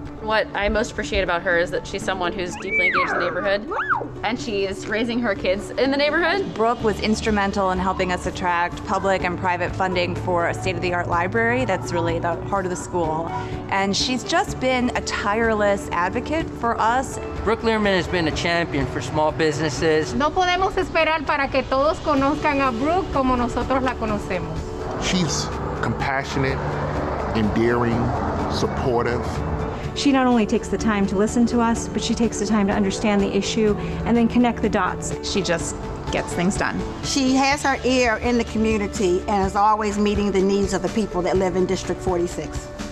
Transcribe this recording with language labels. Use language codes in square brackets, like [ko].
[en] What I most appreciate about her is that she's someone who's deeply engaged in the neighborhood, and she is raising her kids in the neighborhood. Brooke was instrumental in helping us attract public and private funding for a state-of-the-art library that's really the heart of the school. And she's just been a tireless advocate for us. Brooke Lierman has been a champion for small businesses. [es] No podemos esperar para que todos conozcan a Brooke como nosotros la conocemos. [en] She's compassionate, endearing, supportive. She not only takes the time to listen to us, but she takes the time to understand the issue and then connect the dots. She just gets things done. She has her ear in the community and is always meeting the needs of the people that live in District 46.